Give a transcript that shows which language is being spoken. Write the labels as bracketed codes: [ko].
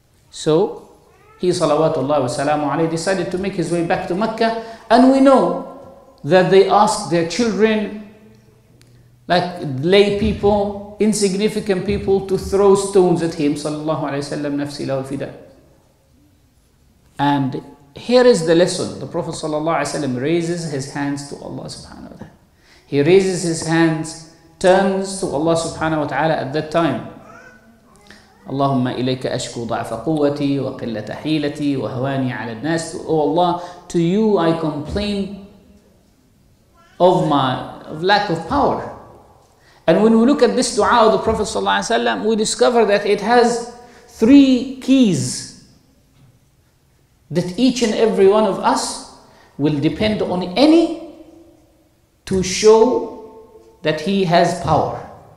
[en] So He salawatullahi wa salamu alayhi decided to make His way back to Mecca, and we know that they asked their children, like lay people, insignificant people, to throw stones at Him sallallahu alayhi wa sallam, nafsi lahu fida. And here is the lesson. The Prophet sallallahu alayhi wa sallam raises his hands to Allah subhanahu wa ta'ala. He raises his hands, turns to Allah subhanahu wa ta'ala at that time. [ar] اللهم إليك أشكو ضعف قوتي وقلة حيلتي وهواني على الناس. [en] Oh Allah, to you I complain of lack of power. And when we look at this dua of the Prophet صلى الله عليه وسلم, we discover that it has three keys that each and every one of us will depend on any to show that he has power.